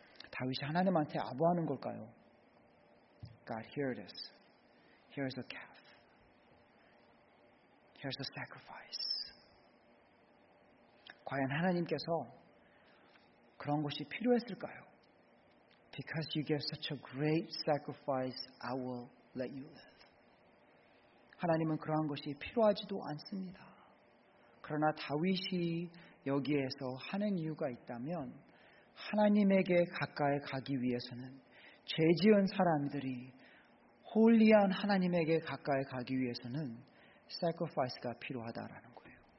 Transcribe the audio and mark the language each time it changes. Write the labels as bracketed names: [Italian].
[Korean] 다윗이 하나님한테 아부하는 걸까요? [English] God, here it is. Here's a calf. Here's a sacrifice. [Korean] 과연 하나님께서 그런 것이 필요했을까요? [English] Because you gave such a great sacrifice, I will let you live. [Korean] 하나님은 그러한 것이 필요하지도 않습니다. 그러나 다윗이 여기에서 하는 이유가 있다면 하나님에게 가까이 가기 위해서는 죄 지은 사람들이 홀리한 하나님에게 가까이 가기 위해서는 sacrifice가 필요하다라는 거예요.